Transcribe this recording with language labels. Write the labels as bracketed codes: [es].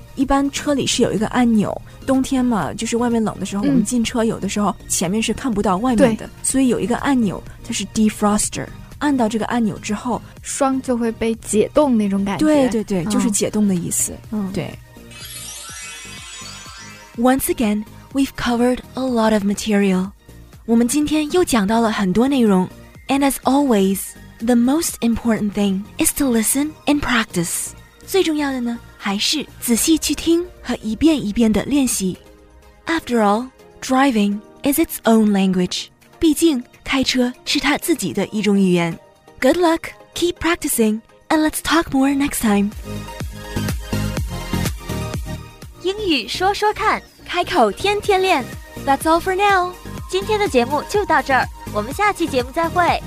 [zh] 一般车里是有一个按钮，冬天嘛，就是外面冷的时候，嗯、我们进车有的时候前面是看不到外面的，所以有一个按钮，它是 defroster。按到这个按钮之后霜就会被解冻那种感觉，对对对、哦、就是解冻的意思、嗯、对。 [en] Once again, we've covered a lot of material. [zh] 我们今天又讲到了很多内容。 [en] And as always, the most important thing is to listen and practice. [zh] 最重要的呢还是仔细去听和一遍一遍的练习。 [en] After all, driving is its own language. [zh] 毕竟开车是他自己的一种语言。 [en] Good luck, keep practicing, and let's talk more next time. [zh] 英语说说看，开口天天练。 [en] That's all for now. [zh] 今天的节目就到这儿，我们下期节目再会。